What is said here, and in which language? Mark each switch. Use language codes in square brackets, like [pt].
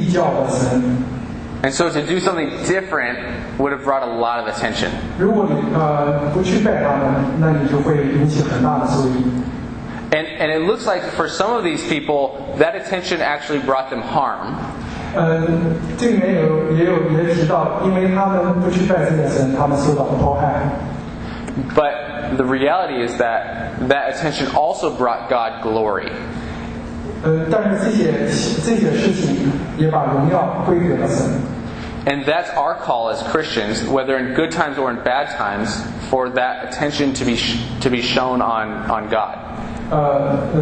[zh] 在当时这个是很正常的，你可以就是你崇拜偶像，你会拜这些异教的神。 [en] And so to do something different would have brought a lot of attention. [zh] 如果你不去拜他们，那你就会引起很大的注意。 [en] And it looks like for some of these people, that attention actually brought them harm. [zh] 这里面也提到，因为他们不去拜这些神，他们受到迫害。 [en] But the reality is that attention also brought God glory. [zh] 但是这些事情也把荣耀归给了神。 [en] And that's our call as Christians, whether in good times or in bad times, for that attention to be shown on God.